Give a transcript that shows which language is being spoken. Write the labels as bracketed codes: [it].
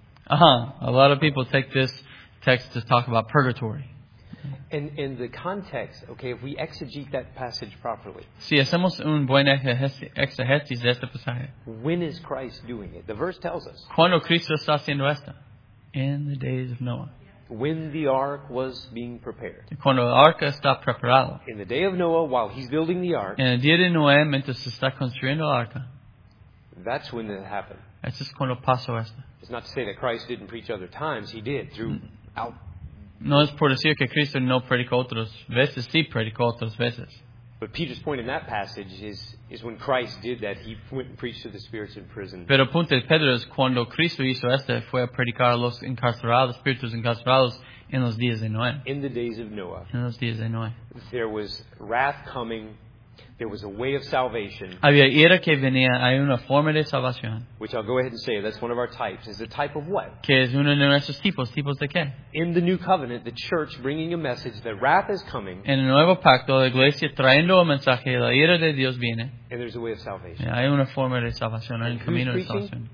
[en] A lot of people take this text to talk about purgatory. And in the context, okay, if we exegete that passage properly. [es] Si hacemos un buen exegesis de este pasaje. [en] When is Christ doing it? The verse tells us. [es] ¿Cuándo Cristo está haciendo esto? [en] In the days of Noah. When the ark was being prepared. [es] Cuando el arca está preparado. [en] In the day of Noah, while he's building the ark. [es] En el día de Noé, mientras se está construyendo el arca. [en] That's when it happened. [es] Eso es cuando pasó esto. [en] It's not to say that Christ didn't preach other times. He did throughout. [es] No es por decir que Cristo no predicó otras veces. Sí predicó otras veces. [en] But Peter's point in that passage is when Christ did that, he went and preached to the spirits in prison. [es] Pero el punto de Pedro es cuando Cristo hizo esto, fue a predicar a los encarcelados, espíritus encarcelados, en los días de Noé. [en] In the days of Noah. [es] En los días de Noé. [en] There was wrath coming. There was a way of salvation. [es] Había ira que venía, hay una forma de salvación. [en] Which I'll go ahead and say, that's one of our types. Is the type of what? [es] Que es uno de nuestros tipos, tipos de qué? [en] In the new covenant, the church bringing a message that wrath is coming. [es] En el nuevo pacto, la iglesia trayendo un mensaje, la ira de Dios viene. [en] And there's a way of salvation. [es] Hay una forma de salvación, hay un camino de salvación.